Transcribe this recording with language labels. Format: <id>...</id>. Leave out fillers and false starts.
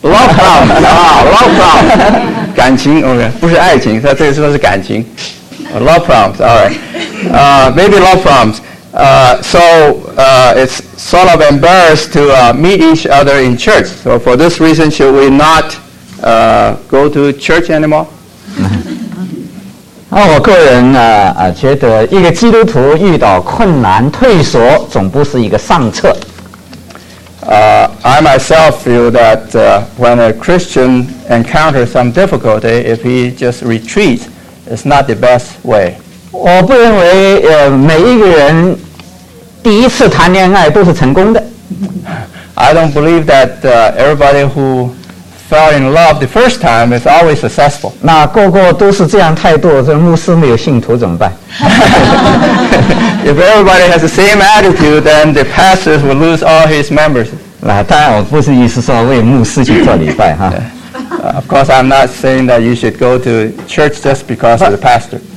<en>problems, love problems,</en> <zh>感情</zh> <en>OK</en> <zh>不是爱情，他这个说是感情</zh> <en>，love problems, all right. Maybe love problems. It's sort of embarrassed to meet each other in church. So for this reason, should we not go to church anymore?</en> <zh>那我个人呢，觉得一个基督徒遇到困难退缩，总不是一个上策。</zh> <en>I myself feel that when a Christian encounters some difficulty, if he just retreats, it's not the best way.</en> <zh>我不认为每一个人第一次谈恋爱都是成功的。</zh> <en>I don't believe that everybody who fell in love the first time is always successful.</en> <zh>那个个都是这样态度，这牧师没有信徒怎么办？</zh> <en>If everybody has the same attitude, then the pastors will lose all his members.</en> <zh>那当然，我不是意思说为牧师去做礼拜哈。</zh> <en>Of course, I'm not saying that you should go to church just because of the pastor.</en>